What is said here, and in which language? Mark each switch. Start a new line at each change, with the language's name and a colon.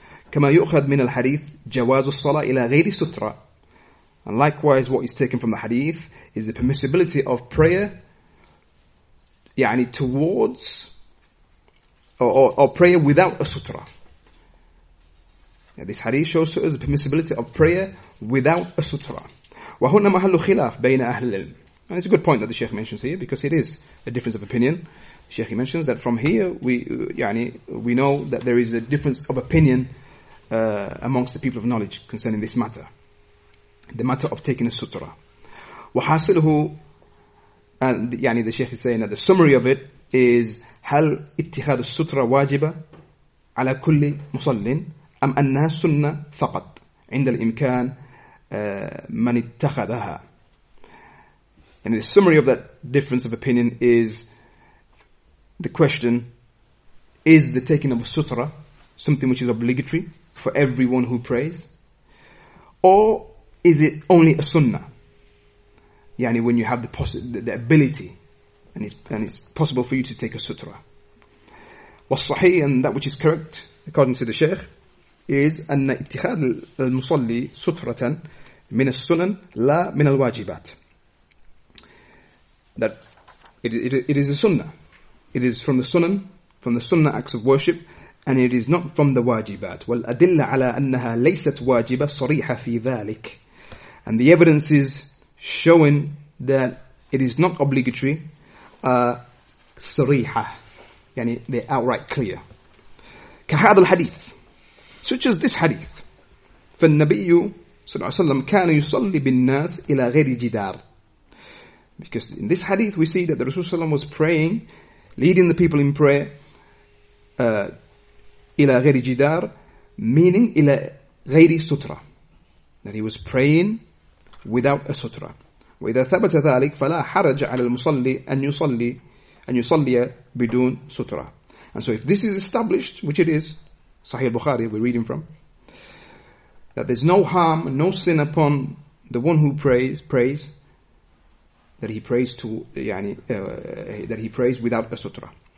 Arabic: كما يؤخذ من الحديث جواز الصلاة إلى غير سترة.
English: And likewise, what is taken from the hadith is the permissibility of prayer, towards or prayer without a sutra. Yeah, this hadith shows to us the permissibility of prayer without a sutra.
Arabic: وهنا محل خلاف بين أهل العلم.
English: And it's a good point that the Sheikh mentions here, because it is a difference of opinion. Sheikh mentions that from here we know that there is a difference of opinion amongst the people of knowledge concerning this matter, the matter of taking a sutra.
Arabic: وحاصله, the Sheikh is saying that the summary of it is هل اتخاذ السترة واجبة على كل مصل أم أنها سنة فقط عند الإمكان من اتخذها.
English: And the summary of that difference of opinion is the question, is the taking of a sutra something which is obligatory for everyone who prays? Or is it only a sunnah? When you have the ability and it's possible for you to take a sutra. والصحيح, and that which is correct, according to the Sheikh, is أن اتخاذ المصلي سترة من السنن لا من الواجبات. That it is a sunnah. It is from the sunan, from the sunnah acts of worship, and it is not from the wajibat.
Arabic: والأدلة على أنها ليست واجبة صريحة في ذلك.
English: And the evidences showing that it is not obligatory are صريحة. They're outright clear. كهذا الحديث. Such as this hadith.
Arabic: فالنبي صلى الله عليه وسلم كان يصلي بالناس إلى غير جدار.
English: Because in this hadith we see that the Rasulullah was praying, leading the people in prayer, ila ghairi jidar, meaning ila ghairi sutra. That he was praying without a sutra.
Arabic: وإذا ثبت ذلك فلا حرج على المصلي أن يصلي بدون سترة.
English: And so if this is established, which it is, Sahih al-Bukhari we're reading from, that there's no harm, no sin upon the one who prays, that he prays without a sutra.